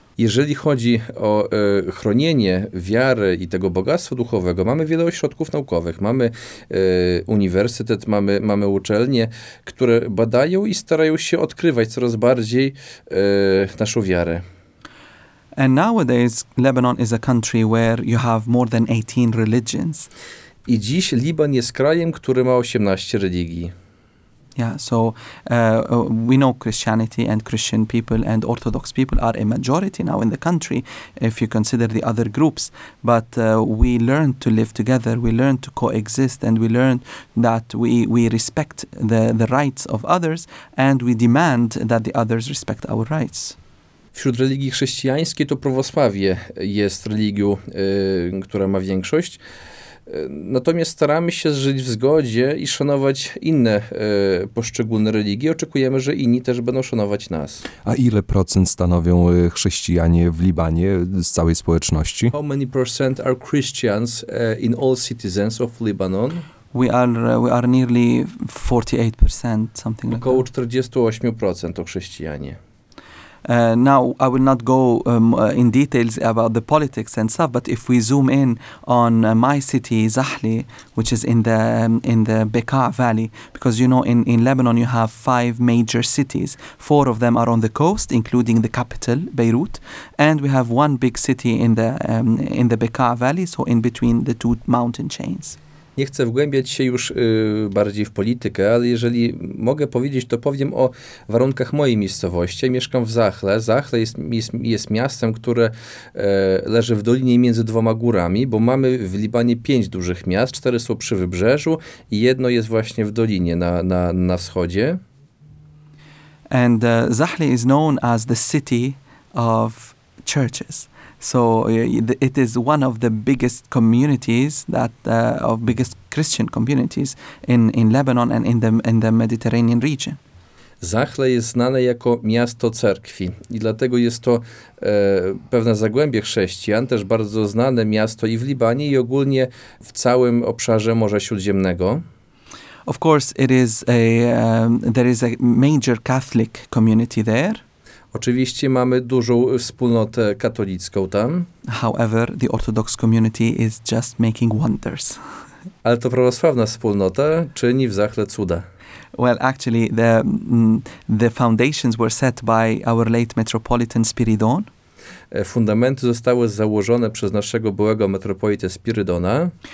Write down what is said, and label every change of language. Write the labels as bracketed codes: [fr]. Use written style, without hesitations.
[pl] Jeżeli chodzi o chronienie wiary i tego bogactwa duchowego, mamy wiele ośrodków naukowych, mamy uniwersytet, mamy uczelnie, które badają i starają się odkrywać coraz bardziej naszą wiarę. [en] And nowadays, Lebanon is a country where you have more than 18 religions. [pl] I dziś Liban jest krajem, który ma 18 religii. [en] Yeah, so we know Christianity and Christian people and Orthodox people are a majority now in the country, if you consider the other groups. But we learn to live together, we learn to coexist, and we learn that we respect the rights of others, and we demand that the others respect our rights. [pl] Wśród religii chrześcijańskiej to prawosławie jest religią, która ma większość. Natomiast staramy się żyć w zgodzie i szanować inne poszczególne religie. Oczekujemy, że inni też będą szanować nas. A ile procent stanowią chrześcijanie w Libanie z całej społeczności? [en] How many percent are Christians in all citizens of Lebanon? We are nearly 48%, something like that. [pl] Około 48% to chrześcijanie. [en] Now, I will not go in details about the politics and stuff, but if we zoom in on my city, Zahli, which is in the Bekaa Valley, because you know in Lebanon you have five major cities. Four of them are on the coast, including the capital, Beirut, and we have one big city in the Bekaa Valley, so in between the two mountain chains. [pl] Nie chcę wgłębiać się już bardziej w politykę, ale jeżeli mogę powiedzieć, to powiem o warunkach mojej miejscowości. Mieszkam w Zahle. Zahle jest miastem, które leży w dolinie między dwoma górami, bo mamy w Libanie pięć dużych miast. Cztery są przy wybrzeżu i jedno jest właśnie w dolinie na wschodzie. [en] And Zahle is known as the city of churches. So it is one of the biggest communities that of biggest Christian communities in Lebanon and in the Mediterranean region. [pl] Zahle jest znane jako miasto cerkwi i dlatego jest to pewne zagłębie chrześcijan, też bardzo znane miasto i w Libanie i ogólnie w całym obszarze Morza Śródziemnego. [en] Of course it is a there is a major Catholic community there. [pl] Oczywiście mamy dużą wspólnotę katolicką tam. [en] However, the Orthodox community is just making wonders. [pl] Ale to prawosławna wspólnota czyni w Zahle cuda. [en] Well, actually, the foundations were set by our late Metropolitan Spiridon. [pl] Fundamenty zostały założone przez naszego byłego metropolitę Spiridona.